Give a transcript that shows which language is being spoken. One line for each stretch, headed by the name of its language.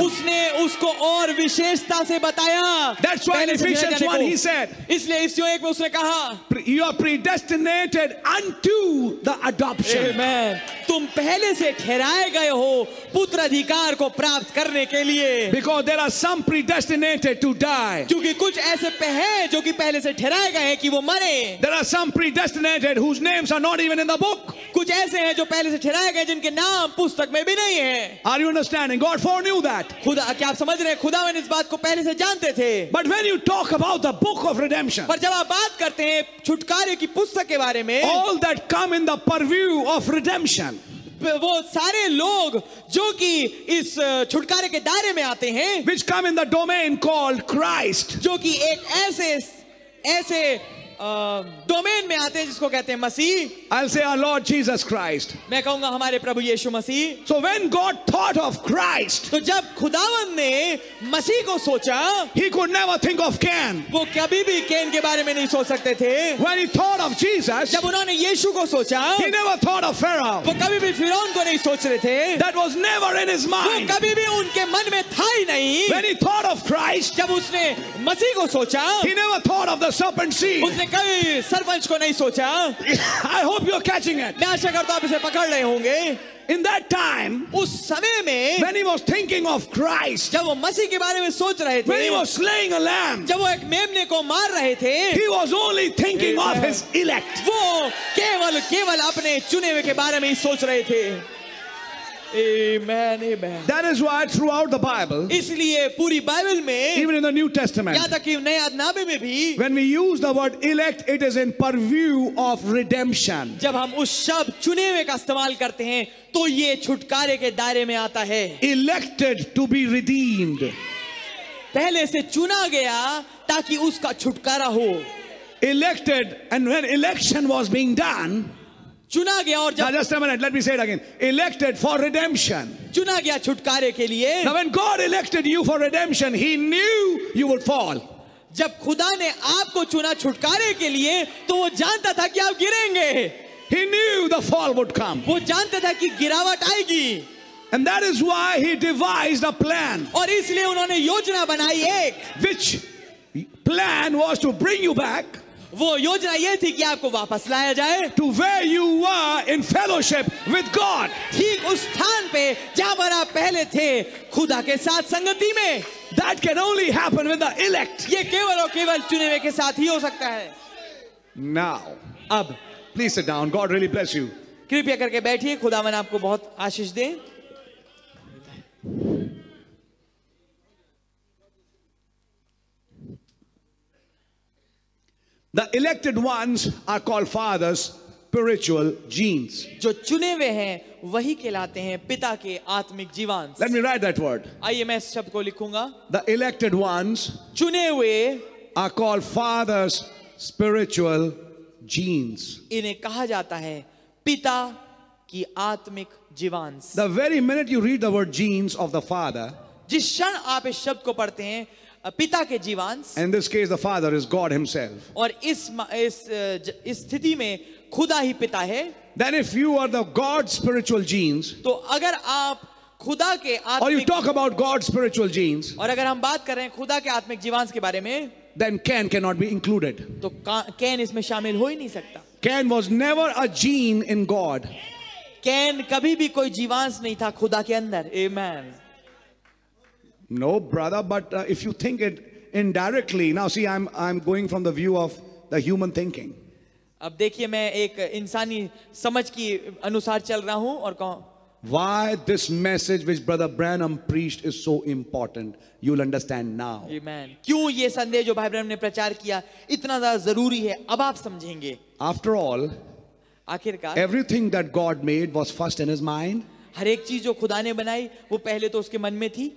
Hindi: उसने उसको और विशेषता से बताया.
English: That's why in Ephesians 1 he said.
Hindi: इसलिए इस एक में उसने कहा.
English: You are predestinated unto the adoption.
Hindi: तुम पहले से ठहराए गए हो पुत्र अधिकार को प्राप्त करने के लिए.
English: Because there are some predestinated to die.
Hindi: क्योंकि कुछ ऐसे हैं जो कि पहले से ठहराए गए हैं कि वो मरे.
English: There are some predestinated whose names are not even in the book.
Hindi: कुछ ऐसे हैं जो पहले से ठहराए गए जिनके नाम पुस्तक में भी नहीं है.
English: Are you understanding? God foreknew that.
Hindi: खुदा क्या आप समझ रहे हैं? खुदा ने इस बात को पहले से जानते थे.
English: But when you talk about the book of redemption.
Hindi: पर जब आप बात करते हैं छुटकारे की पुस्तक के बारे में.
English: All that come in the purview of redemption.
Hindi: वो सारे लोग जो कि इस छुटकारे के दायरे में आते हैं.
English: Which come in the domain called Christ.
Hindi: जो कि एक ऐसे डोमेन में आते हैं जिसको कहते हैं मसीह.
English: I'll say our Lord Jesus Christ.
Hindi: मैं कहूंगा हमारे प्रभु यीशु मसीह.
English: So when God thought of Christ.
Hindi: तो जब खुदावन ने मसीह को सोचा.
English: He could never think of Cain.
Hindi: वो कभी भी केन के बारे में नहीं सोच सकते थे.
English: When he thought of Jesus.
Hindi: जब उन्होंने यीशु को सोचा.
English: He never thought of Pharaoh.
Hindi: वो कभी भी फिरौन को नहीं सोच रहे थे.
English: That was never in his mind.
Hindi: वो कभी भी उनके मन में था ही नहीं.
English: When he thought of Christ.
Hindi: जब उसने मसीह को सोचा.
English: He never thought of the serpent seed.
Hindi: कभी सरपंच को नहीं सोचा.
English: I hope you are catching it.
Hindi: मैं आशा करता हूं आप इसे पकड़ रहे होंगे.
English: In that time,
Hindi: उस समय में,
English: when he was thinking of Christ,
Hindi: जब वो मसीह के बारे में सोच रहे थे,
English: when he was slaying a lamb,
Hindi: जब वो एक मेमने को मार रहे थे,
English: he was only thinking of his elect.
Hindi: वो केवल अपने चुने हुए के बारे में ही सोच रहे थे.
English: Amen, amen. That is why throughout the Bible,
Hindi: इसलिए पूरी बाइबल में,
English: even in the New Testament,
Hindi: यहाँ तक कि नए अधिनामे में भी,
English: when we use the word elect, it is in purview of redemption.
Hindi: जब हम उस शब्द चुने हुए का इस्तेमाल करते हैं तो ये छुटकारे के दायरे में आता है.
English: Elected to be redeemed.
Hindi: पहले से चुना गया ताकि उसका छुटकारा हो.
English: Elected, and when election was being done,
Hindi: चुना गया और
English: जब just a minute let me say it again. Elected for redemption.
Hindi: चुना गया छुटकारे के लिए.
English: Now when God elected you for redemption he knew you would fall.
Hindi: जब खुदा ने आपको चुना छुटकारे के लिए तो वो जानता था कि आप गिरेंगे.
English: He knew the fall would come.
Hindi: वो जानता था कि गिरावट आएगी.
English: And that is why he devised a plan.
Hindi: और इसलिए उन्होंने योजना बनाई एक.
English: Which plan was to bring you back.
Hindi: वो योजना ये थी कि आपको वापस लाया जाए.
English: To where you were in fellowship with God.
Hindi: ठीक उस स्थान पे जहां पर आप पहले थे खुदा के साथ संगति में.
English: That can only happen with the elect.
Hindi: ये केवल और केवल चुने हुए के साथ ही हो सकता है.
English: now
Hindi: अब
English: Please sit down. God really bless you.
Hindi: कृपया करके बैठिए. खुदा मैंने आपको बहुत आशीष दे.
English: The elected ones are called fathers, spiritual genes.
Hindi: जो चुने हुए हैं वही कहलाते हैं पिता के आत्मिक जीवांश.
English: Let me write that word.
Hindi: आइए मैं इस शब्द को लिखूंगा.
English: The elected ones,
Hindi: चुने हुए,
English: are called fathers, spiritual genes.
Hindi: इन्हें कहा जाता है पिता की आत्मिक जीवांश.
English: The very minute you read the word genes of the father,
Hindi: जिस क्षण आप इस शब्द को पढ़ते हैं पिता के जीवांश.
English: In this case, the father is God himself.
Hindi: और इस स्थिति में खुदा ही पिता है.
English: Then if you are the God's spiritual genes,
Hindi: तो अगर आप खुदा के आत्मिक,
English: or you talk about God's spiritual genes,
Hindi: और अगर हम बात कर रहे हैं खुदा के आत्मिक जीवांश के बारे में,
English: then Cain cannot be included.
Hindi: तो कैन इसमें शामिल हो ही नहीं सकता.
English: Cain was never a gene in God.
Hindi: Can कभी भी कोई जीवांश नहीं था खुदा के अंदर.
English: Amen. No, brother, but if you think it indirectly, now see, I'm going from the view of the human thinking.
Hindi: अब देखिए मैं एक इंसानी समझ की अनुसार चल रहा हूं और कहूं
English: Why this message which Brother Branham preached is so important, you'll understand now. Amen.
Hindi: क्यों ये संदेश जो भाई ब्रैनम ने प्रचार किया इतना ज़्यादा ज़रूरी है अब आप समझेंगे.
English: After all,
Hindi: आखिरकार
English: everything that God made was first in His mind.
Hindi: हर एक चीज़ जो खुदा ने बनाई वो पहले तो उसके मन में थी.